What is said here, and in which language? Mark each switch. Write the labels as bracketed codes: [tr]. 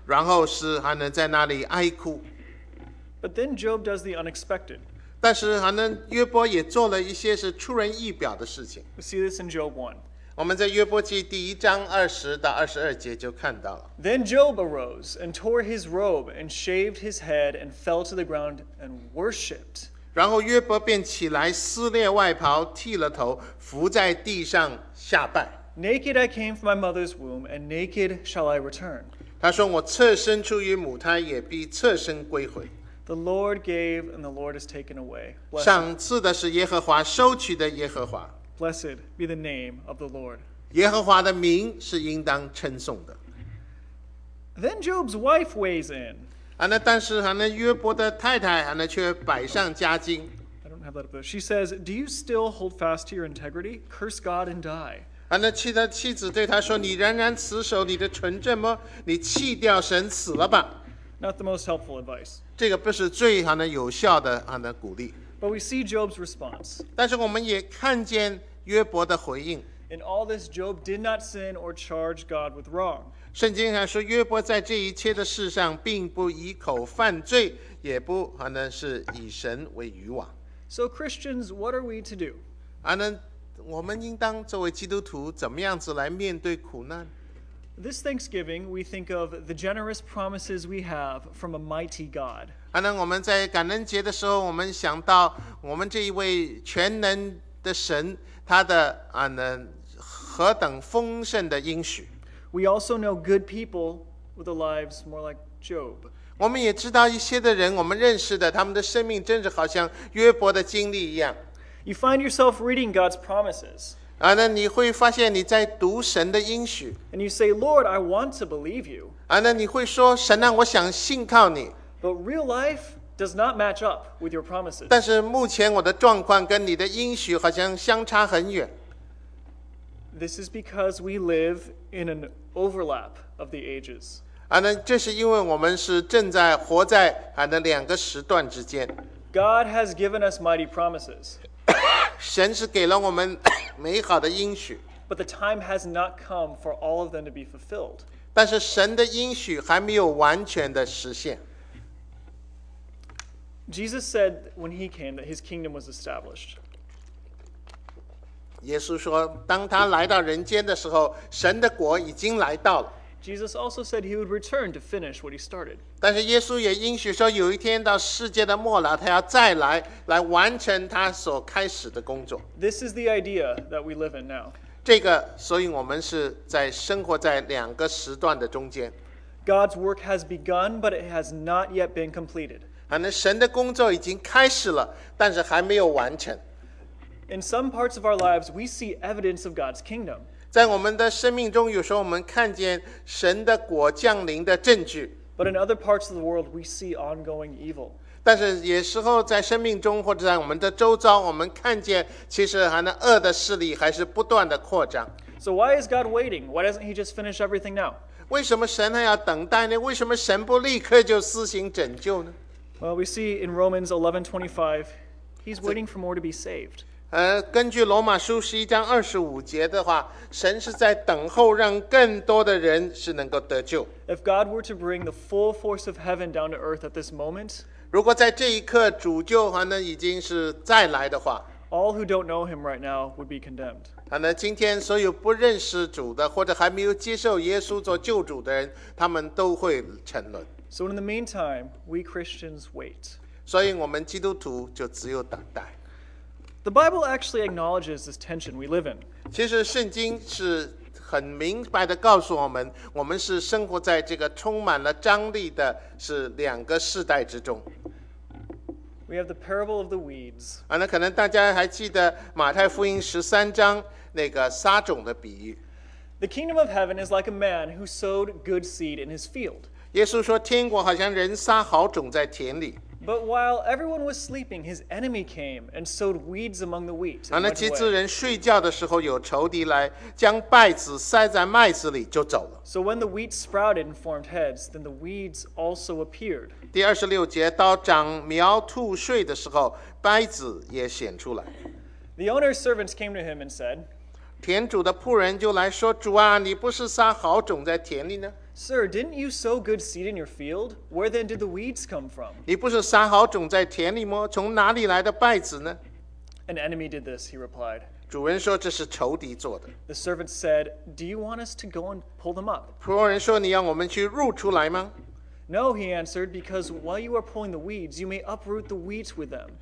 [zh] 然后他还能是伏在地上，然后是还能在那里哀哭。 [en] But then Job does the unexpected. [zh] 但是还能约伯也做了一些是出人意表的事情。 [en] We see this in Job 1. [zh] 我们在约伯记第1:20-22节就看到了。 [en] Then Job arose and tore his robe and shaved his head and fell to the ground and worshipped. [zh] 然后约伯便起来撕裂外袍，剃了头，伏在地上下拜。 [en] Naked I came from my mother's womb, and naked shall I return. [zh] 他说：“我侧身出于母胎，也必侧身归回。” [en] The Lord gave, and the Lord has taken away. [zh] 赏赐的是耶和华，收取的耶和华。 [en] Blessed be the name of the Lord. [zh] 耶和华的名是应当称颂的。 [en] Then Job's wife weighs in. [zh] 那但是那约伯的太太那却百上加斤。 [en] I don't have that up there. She says, "Do you still hold fast to your integrity? Curse God and die." [zh] 那妻子对他说，你仍然持守你的纯正吗？你弃掉神死了吧。 [en] Not the most helpful advice. [zh] 这个不是最有效的鼓励。 [en] But we see Job's response. [zh] 但是我们也看见约伯的回应。 [en] In all this, Job did not sin or charge God with wrong. [zh] 圣经还说约伯在这一切的事上并不以口犯罪，也不是以神为渔网。 [en] So Christians, what are we to do? [zh] 我们应当作为基督徒怎么样子来面对苦难？ [en] This Thanksgiving, we think of the generous promises we have from a mighty God. [zh] 我们在感恩节的时候，我们想到我们这一位全能的神他的何等丰盛的应许。 [en] We also know good people with the lives more like Job. [zh] 我们也知道一些的人，我们认识的，他们的生命真是好像约伯的经历一样。 [en] You find yourself reading God's promises. [zh] 那你会发现你在读神的应许。 [en] And you say, Lord, I want to believe you. [zh] 那你会说，神啊，我想信靠你。 [en] But real life does not match up with your promises. [zh] 但是目前我的状况跟你的应许好像相差很远。 [en] This is because we live in an overlap of the ages. [zh] 这是因为我们是正在活在两个时段之间。 [en] God has given us mighty promises. [zh] 神是给了我们美好的应许。 [en] But the time has not come for all of them to be fulfilled. [zh] 但是神的应许还没有完全的实现。 [en] Jesus said when he came that his kingdom was established. [zh] 耶稣说，当他来到人间的时候，神的国已经来到了。 [en] Jesus also said he would return to finish what he started. [zh] 但是耶稣也应许说，有一天到世界的末了，他要再来，来完成他所开始的工作。 [en] This is the idea that we live in now. [zh] 这个，所以我们是在生活在两个时段的中间。 [en] God's work has begun, but it has not yet been completed. [zh] 神的工作已经开始了，但是还没有完成。 [en] In some parts of our lives, we see evidence of God's kingdom. [zh] 在我们的生命中，有时候我们看见神的国降临的证据。 [en] But in other parts of the world, we see ongoing evil. [zh] 但是有时候在生命中或者在我们的周遭，我们看见其实恶的势力还是不断的扩张。 [en] So why is God waiting? Why doesn't he just finish everything now? [zh] 为什么神还要等待呢？为什么神不立刻就施行拯救呢？ [en] Well, we see in Romans 11:25, he's waiting for more to be saved. [zh] 根据罗马书十一章二十五节的话，神是在等候让更多的人是能够得救。 [en] If God were to bring the full force of heaven down to earth at this moment, [zh] 如果在这一刻主救已经是再来的话， [en] all who don't know him right now would be condemned. [zh] 今天所有不认识主的或者还没有接受耶稣做救主的人，他们都会沉沦。 [en] So in the meantime, we Christians wait. [zh] 所以我们基督徒就只有等待。 [en] The Bible actually acknowledges this tension we live in. [zh] 其实圣经是很明白地告诉我们，我们是生活在这个充满了张力的是两个世代之中。 [en] We have the parable of the weeds. [zh] 那可能大家还记得马太福音十三章那个撒种的比喻。 [en] The kingdom of heaven is like a man who sowed good seed in his field. [zh] 耶稣说，天国好像人撒好种在田里。 [en] But while everyone was sleeping, his enemy came and sowed weeds among the wheat. [zh] 那其次人睡觉的时候，有仇敌来，将稗子塞在麦子里，就走了。 [en] So when the wheat sprouted and formed heads, then the weeds also appeared. [zh] 第二十六节，到长苗吐穗的时候，稗子也显出来。 [en] The owner's servants came to him and said, [zh] 田主的仆人就来说，主啊，你不是撒好种在田里呢？ [en] Sir, didn't you sow good seed in your field? Where then did the weeds come from? [zh] 你不是撒好种在田里吗？从哪里来的稗子呢？ [en] An enemy did this, he replied. [zh] 主人说这是仇敌做的。 [en] The servant said, Do you want us to go and pull them up? [zh] 仆人说你让我们去 [en] root [zh] 出来吗？ [en] No, he answered, because while you are pulling the weeds, you may uproot the weeds with them.